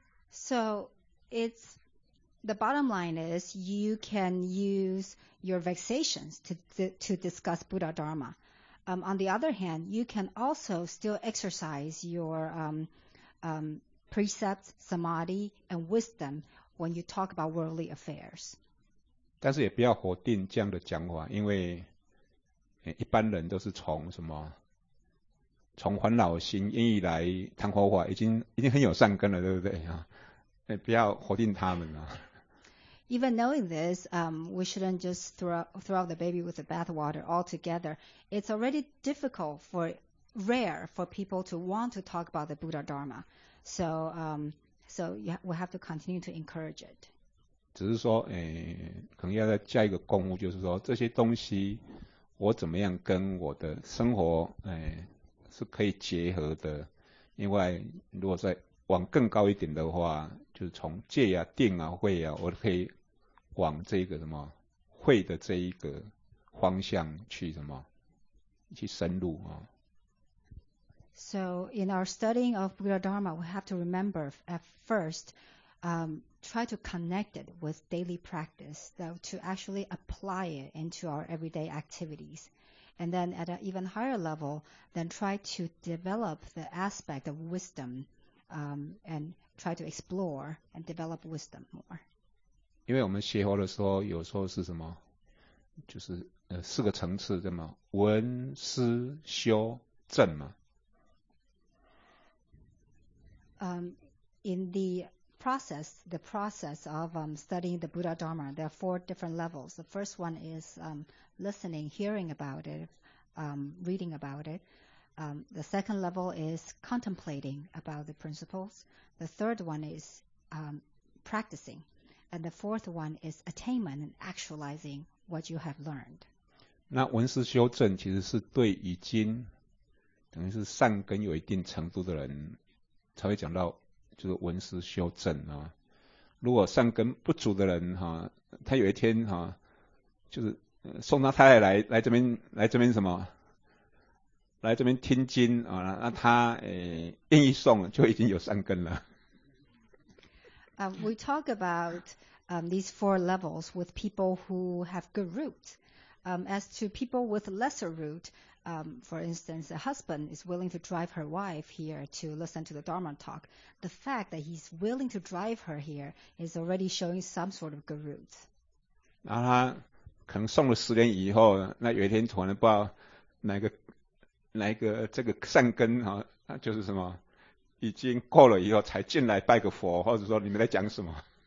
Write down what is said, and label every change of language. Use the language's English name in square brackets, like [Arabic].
[English] So it's the bottom line is you can use your vexations to discuss Buddha Dharma. On the other hand, you can also still exercise your precepts, samadhi, and wisdom when you talk about worldly affairs. [Chinese] 但是也不要否定这样的讲法，因为一般人都是从什么，从烦恼心愿意来谈佛法，已经很有善根了，对不对啊？不要否定他们啊。 [English] Even knowing this, we shouldn't just throw the baby with the bathwater altogether. It's already difficult for rare for people to want to talk about the Buddha Dharma. So we have to continue to encourage it. [Chinese] 只是说，可能要再加一个功夫，就是说这些东西，我怎么样跟我的生活，是可以结合的。另外，如果再往更高一点的话，就是从戒啊、定啊、慧啊，我可以往这个什么慧的这一个方向去什么去深入啊。 [English] So in our studying of Buddha Dharma, we have to remember at first, try to connect it with daily practice, though, to actually apply it into our everyday activities. And then at an even higher level, then try to develop the aspect of wisdom, and try to explore and develop wisdom more. [Chinese] 因为我们学佛的时候，有时候是什么，就是四个层次的嘛，闻、思、修、证嘛。 [English] In the process of studying the Buddha Dharma, there are four different levels. The first one is listening, hearing about it, reading about it. The second level is contemplating about the principles. The third one is practicing. And the fourth one is attainment and actualizing what you have learned. [Chinese] 那闻思修证其实是对已经等于是善根有一定程度的人才会讲到就是闻思修证啊，如果善根不足的人哈、啊，他有一天哈、啊，就是送他太太来这边什么，来这边听经啊，那他愿意送就已经有善根了。 [English] We talk about these four levels with people who have good roots. As to people with lesser root. For instance, a husband is willing to drive her wife here to listen to the Dharma talk. The fact that he's willing to drive her here is already showing some sort of good root. [Chinese] 然后他可能送了十年以后，那有一天突然不知道哪一个这个善根啊，就是什么已经过了以后才进来拜个佛，或者说你们在讲什么？